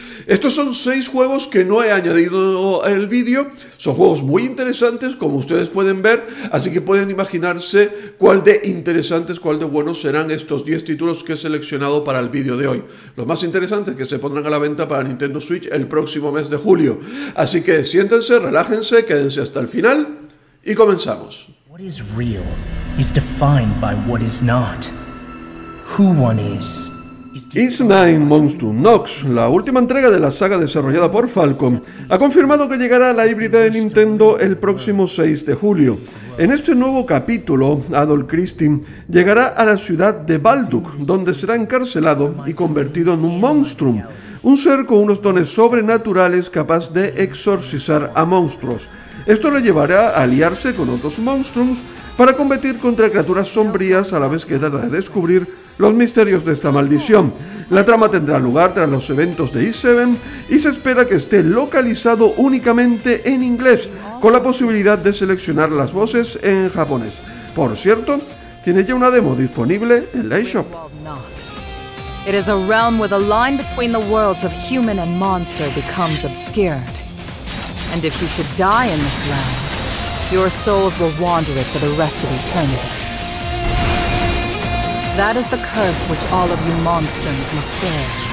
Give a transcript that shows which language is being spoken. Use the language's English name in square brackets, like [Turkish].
[Spanish] Estos son 6 juegos que no he añadido al vídeo, son juegos muy interesantes, como ustedes pueden ver, así que pueden imaginarse cuál de interesantes, cuál de buenos serán estos 10 títulos que he seleccionado para el vídeo de hoy. Los más interesantes que se pondrán a la venta para Nintendo Switch el próximo mes de julio. Así que siéntense, relájense, quédense hasta el final y comenzamos. [English] What is real is defined by what is not. Who one is. [Spanish] Is 9 Monstu Nox, la última entrega de la saga desarrollada por Falcom, ha confirmado que llegará a la híbrida de Nintendo el próximo 6 de julio. En este nuevo capítulo, Adol Christin llegará a la ciudad de Balduk, donde será encarcelado y convertido en un Monstrum, un ser con unos dones sobrenaturales capaz de exorcizar a monstruos. Esto le llevará a aliarse con otros Monstrums para competir contra criaturas sombrías a la vez que trata de descubrir los misterios de esta maldición. La trama tendrá lugar tras los eventos de E7 y se espera que esté localizado únicamente en inglés, con la posibilidad de seleccionar las voces en japonés. Por cierto, tiene ya una demo disponible en la eShop. [English] It is a realm where the line between the worlds of human and monster becomes obscured. And if you should die in this realm, your souls will wander it for the rest of eternity. That is the curse which all of you monsters must bear.